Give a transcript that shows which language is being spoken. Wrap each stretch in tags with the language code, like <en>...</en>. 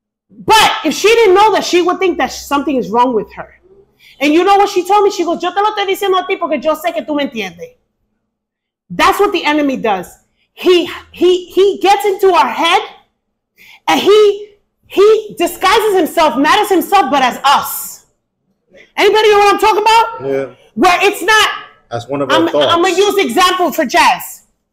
<en>But if she didn't know that, she would think that something is wrong with her. And you know what she told me?</en> <es>She goes, yo te lo estoy diciendo a ti porque yo sé que tú me entiendes.</es> <en>That's what the enemy does. He gets into our head and he disguises himself, not as himself, but as us. Anybody know what I'm talking about? Yeah. Where it's not. As one of our thoughts. I'm going to use example for Jazz.</en>